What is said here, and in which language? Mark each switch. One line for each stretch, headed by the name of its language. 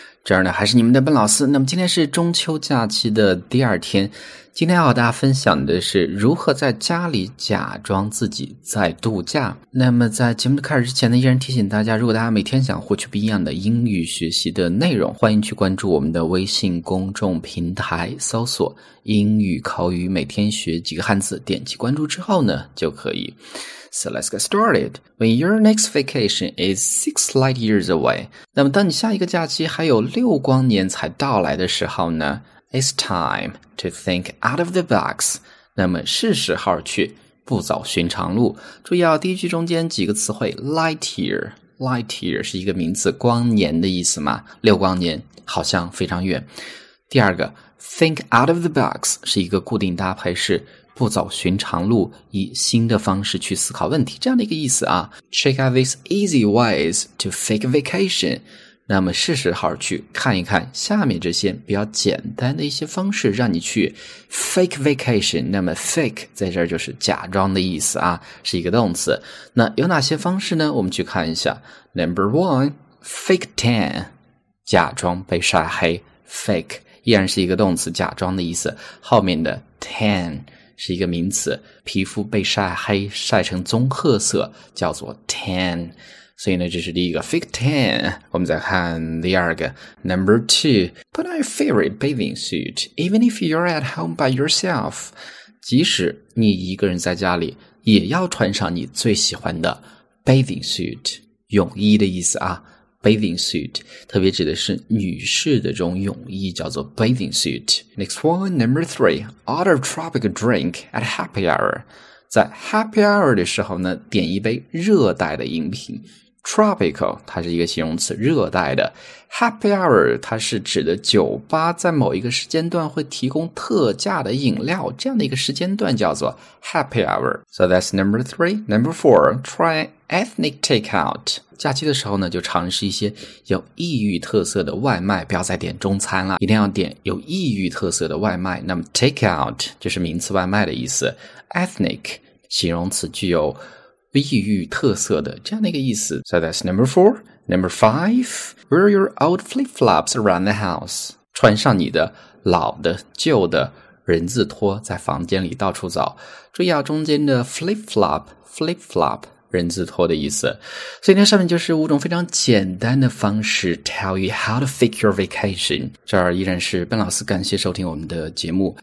Chinese: 这儿呢还是你们的笨老师。那么今天是中秋假期的第二天，今天要和大家分享的是如何在家里假装自己在度假。那么在节目的开始之前呢，依然提醒大家，如果大家每天想获取不一样的英语学习的内容，欢迎去关注我们的微信公众平台，搜索英语口语每天学几个汉字，点击关注之后呢就可以。
English: So let's get started. When your next vacation is 6 light years away,
Chinese: 那么当你下一个假期还有6光年才到来的时候呢，
English: It's time to think out of the box.
Chinese: 那么是时候去不走寻常路。注意啊，第一句中间几个词汇 light year 是一个名词，光年的意思嘛，六光年好像非常远。第二个 think out of the box 是一个固定搭配，是不走寻常路，以新的方式去思考问题，这样的一个意思啊。
English: Check out these easy ways to fake vacation.
Chinese: 那么是时候去看一看下面这些比较简单的一些方式，让你去 fake vacation. 那么 fake 在这儿就是假装的意思啊，是一个动词。那有哪些方式呢？我们去看一下。
English: Number one, fake tan,
Chinese: 假装被晒黑。 Fake 依然是一个动词，假装的意思。后面的 tan,是一个名词，皮肤被晒黑晒成棕褐色叫做 tan, 所以呢这是第一个 fake tan。我们再看第二个
English: number two, put on your favorite bathing suit even if you're at home by yourself,
Chinese: 即使你一个人在家里也要穿上你最喜欢的 bathing suit, 泳衣的意思啊。 Bathing suit, 特别指的是女士的这种泳衣叫做 bathing suit.
English: Next one, number three, order a tropical drink at happy hour.
Chinese: 在 happy hour 的时候呢，点一杯热带的饮品。 Tropical, 它是一个形容词，热带的。Happy hour, 它是指的酒吧在某一个时间段会提供特价的饮料，这样的一个时间段叫做 happy hour.
English: So that's number three. Number four, try ethnic takeout.
Chinese: 假期的时候呢，就尝试一些有异域特色的外卖，不要再点中餐了，一定要点有异域特色的外卖。那么 takeout, 就是名词外卖的意思。Ethnic, 形容词具有异域特色的，这样的一个意思。
English: So that's number four. Number five, wear your old flip-flops around the house.
Chinese: 穿上你的老的旧的人字拖在房间里到处走。注意啊，中间的 flip-flop 人字拖的意思。所以呢，上面就是五种非常简单的方式
English: tell you how to fake your vacation.
Chinese: 这儿依然是笨老师，感谢收听我们的节目。